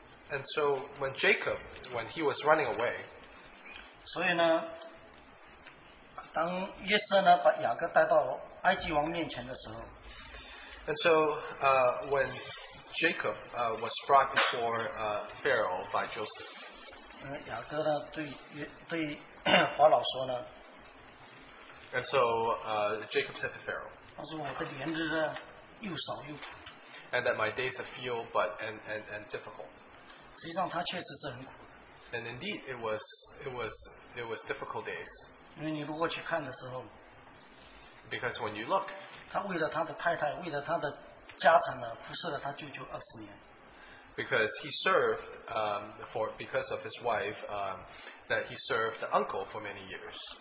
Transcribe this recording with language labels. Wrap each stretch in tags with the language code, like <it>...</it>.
<en>and so when Jacob, when he was running away,</en> <zh>所以呢, 当约瑟呢, 把雅各带到埃及王面前的时候,</zh> <en>and so when Jacob was brought before Pharaoh by Joseph,</en> <zh>雅各呢, 对华老说呢,</zh> <en>and so Jacob said to Pharaoh,</en> <zh>他说我的连日呢,</zh> <en>and that my days are few but and difficult.</en> <zh>实际上他确实是很苦,</zh> <en>and indeed it was difficult days.</en> <zh>因为你如果去看的时候,</zh> <en>because when you look,</en> <zh>他为了他的太太, 为了他的家产呢, 服侍了他舅舅20年,</zh> <en>because he served because of his wife, that he served the uncle for many years.</en>